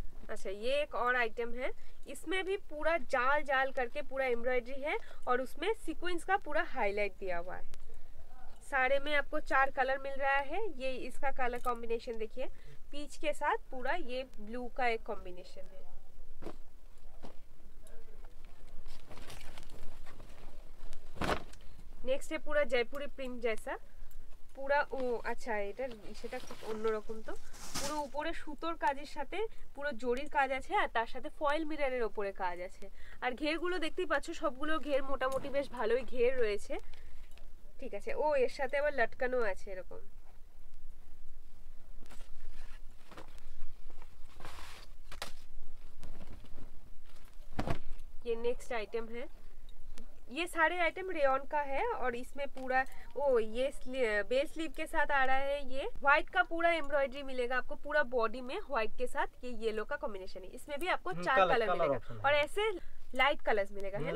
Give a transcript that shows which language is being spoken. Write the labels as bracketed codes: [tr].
[hi] अच्छा ये एक और आइटम है, इसमें भी पूरा जाल जाल करके पूरा एम्ब्रॉयडरी है और उसमें सीक्वेंस का पूरा हाईलाइट दिया हुआ है। सारे में आपको चार कलर मिल रहा है, ये इसका कलर कॉम्बिनेशन देखिए, पीच के साथ पूरा ये ब्लू का एक कॉम्बिनेशन है। नेक्स्ट है पूरा जयपुरी प्रिंट जैसा, पूरा ओ अच्छा [bn] এটা সেটা খুব অন্যরকম, তো পুরো উপরে সুতোর কাজের সাথে পুরো জরির কাজ আছে আর তার সাথে ফয়েল মিররের উপরে কাজ আছে আর ঘেরগুলো দেখতেই পাচ্ছ সবগুলো ঘের মোটামুটি বেশ ভালোই ঘের রয়েছে, ঠিক আছে। ও এর সাথে আবার লটকানো আছে এরকম, [hi] ये नेक्स्ट आइटम है, ये सारे आइटम रेयन का है और इसमें पूरा ओ ये बेल स्लीव के साथ आ रहा है, ये व्हाइट का पूरा एम्ब्रॉयडरी मिलेगा आपको, पूरा बॉडी में व्हाइट के साथ ये येलो का कॉम्बिनेशन है, इसमें भी आपको चार कलर मिलेगा और ऐसे लाइट कलर्स मिलेगा, है